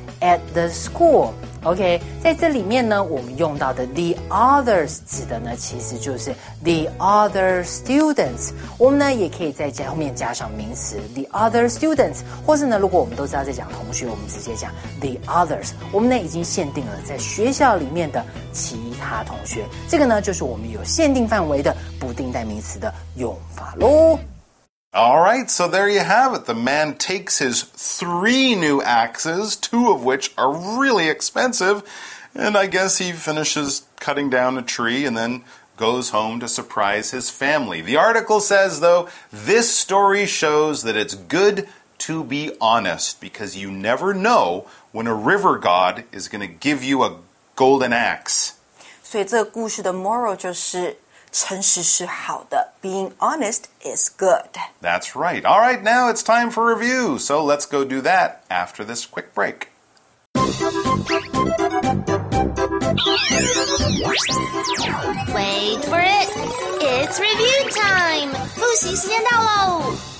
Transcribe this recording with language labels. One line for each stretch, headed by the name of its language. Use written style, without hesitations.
Chinese: at the school OK 在这里面呢我们用到的 the others 指的呢其实就是 the other students 我们呢也可以在后面加上名词 the other students 或是呢如果我们都知道在讲同学我们直接讲 the others 我们呢已经限定了在学校里面的其他同学这个呢就是我们有限定范围的不定代名词的用法咯
English: All right, so there you have it. The man takes his three new axes, two of which are really expensive, and I guess he finishes cutting down a tree and then goes home to surprise his family. The article says, though, this story shows that it's good to be honest because you never know when a river god is going to give you a golden axe.
Chinese: 所以这个故事的 moral 就是诚实是好的 Being honest is good.
English: That's right. All right, now it's time for review. So let's go do that after this quick break. Wait for it. It's review time. 复习时间到喽。